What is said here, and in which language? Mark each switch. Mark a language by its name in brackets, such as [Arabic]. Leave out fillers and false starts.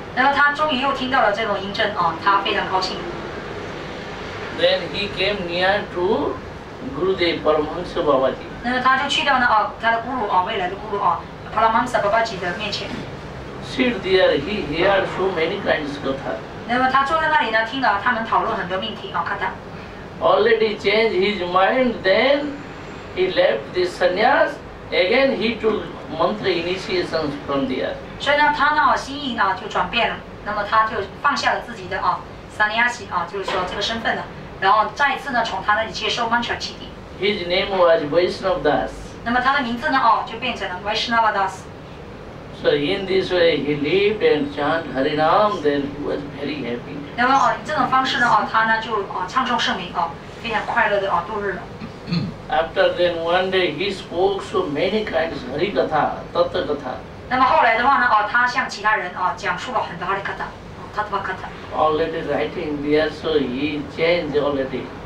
[Chinese] 那么他终于又听到了这种音阵他非常高兴。 [English] Then he came near to Gurudev Paramahansa Babaji. [Chinese] 那么他就去到了、哦、他的咕噜、哦、未来的咕噜、哦、帕拉玛姆萨巴巴吉的面前。 [English] Sit there, he heard so many kinds of katha. [Chinese] 那么他坐在那里呢，听到他们讨论很多命题啊、哦、katha. [English] Already changed his mind, then he left the sannyas. Again, he took mantra initiations from there. [Chinese] 所以呢，他呢心意呢就转变了，那么他就放下了自己的啊、哦、sannyas 啊、哦，就是说这个身份了，然后再一次呢从他那里接受 mantra 启迪。 [English] His name was Vaishnavdas. [Chinese] 那么他的名字呢、哦、就变成了 Vaishnavdas。 [English] So in this way, he lived and chant Harinam, then he was very happy. [Chinese] 那么哦，这种方式呢，哦，他呢就哦唱诵圣名哦，非常快乐的哦度日了。 [English] After then one day, he spoke so many kinds of Hari Katha, Tattva Katha. [Chinese] 那么后来的话呢，哦，他向其他人哦讲述了很多 Hari Katha, Tattva Katha. [English] Already writing there, so he changed already.